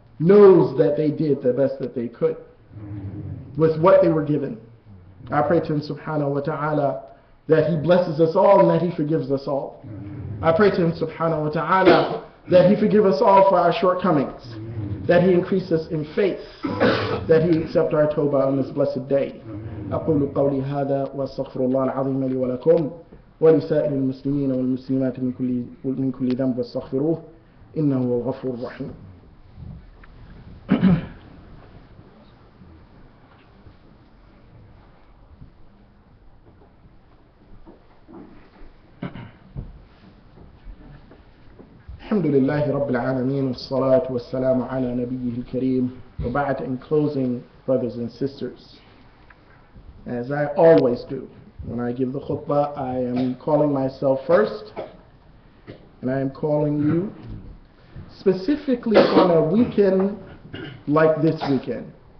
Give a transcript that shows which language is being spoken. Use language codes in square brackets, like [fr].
[en] knows that they did the best that they could with what they were given. I pray to Him subhanahu wa ta'ala that He blesses us all and that He forgives us all. I pray to Him subhanahu wa ta'ala that He forgive us all for our shortcomings, that He increase us in faith, that He accept our tawbah on this blessed day. [ar] أقول قولي هذا وأستغفر الله العظيم لي ولكم ولسائر المسلمين والمسلمات من كل ذنب واستغفروه إنه هو الغفور الرحيم. الحمد لله رب العالمين والصلاة والسلام على نبيه الكريم. [en] وبعد, in closing, brothers and sisters, as I always do when I give the khutbah, I am calling myself first, and I am calling you specifically on a weekend like this weekend.